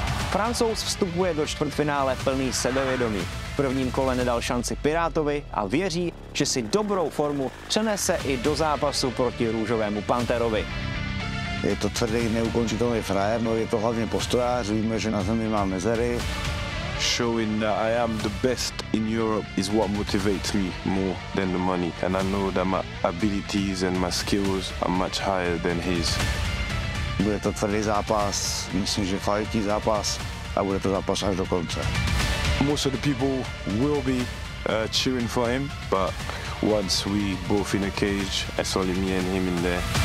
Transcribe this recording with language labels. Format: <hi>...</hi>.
<cs>Francouz vstupuje do čtvrtfinále plný sebevědomí. V prvním kole nedal šanci Pirátovi a věří, že si dobrou formu přenese i do zápasu proti růžovému Pantherovi. Je to tvrdý, neukončitelný frajer, no je to hlavně postojář, víme, že na zemi má mezery.</cs> <en>Showing that I am the best in Europe is what motivates me more than the money. And I know that my abilities and my skills are much higher than his.</en> <cs>Bude to tvrdý zápas, myslím, že kvalitní zápas a bude to zápas až do konce.</cs> <en>Most of the people will be cheering for him, but once we both in a cage, it's only me and him in there.</en>